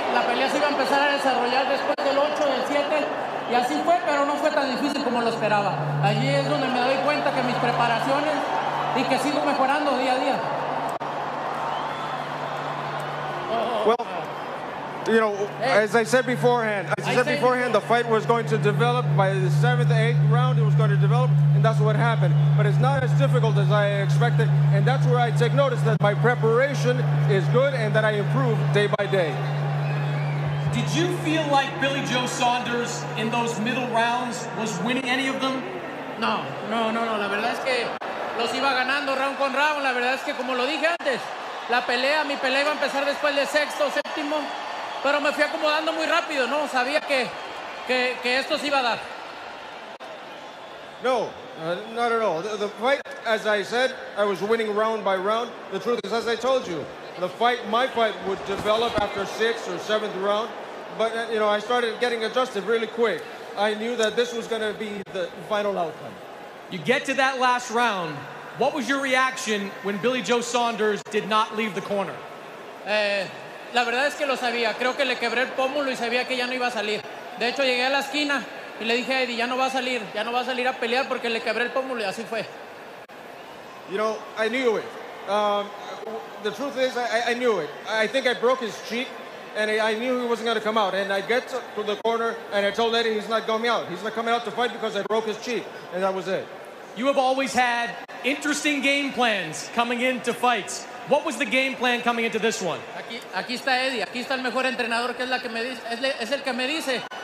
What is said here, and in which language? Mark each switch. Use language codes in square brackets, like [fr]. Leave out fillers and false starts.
[es] La pelea se iba a empezar a desarrollar después del 8, del 7, y así fue, pero no fue tan difícil como lo esperaba. Allí es donde me doy cuenta que mis preparaciones y que sigo mejorando día a día. [en] You know, as I said beforehand, the fight was going to develop by the seventh, eighth round. It was going to develop, and that's what happened. But it's not as difficult as I expected, and that's where I take notice that my preparation is good and that I improve day by day. Did you feel like Billy Joe Saunders in those middle rounds was winning any of them? No. [es] La verdad es que los iba ganando round con round. La verdad es que, como lo dije antes, mi pelea iba a empezar después del sexto, séptimo. Pero me fui acomodando muy rápido, ¿no? Sabía que esto se iba a dar. [en] No, not at all. The fight, as I said, I was winning round by round. The truth is, as I told you, my fight would develop after sixth or seventh round. But, you know, I started getting adjusted really quick. I knew that this was going to be the final outcome. You get to that last round. What was your reaction when Billy Joe Saunders did not leave the corner? [es] La verdad es que lo sabía, creo que le quebré el pómulo y sabía que ya no iba a salir. De hecho, llegué a la esquina y le dije a Eddie, ya no va a salir a pelear porque le quebré el pómulo, y así fue. [en] You know, I knew it. The truth is, I knew it. I think I broke his cheek, and I knew he wasn't going to come out. And I get to the corner, and I told Eddie he's not coming out. He's not coming out to fight because I broke his cheek, and that was it. You have always had interesting game plans coming into fights. What was the game plan coming into this one? [es] Aquí está Eddie. Aquí está el mejor entrenador, que es la que me dice, es el que me dice.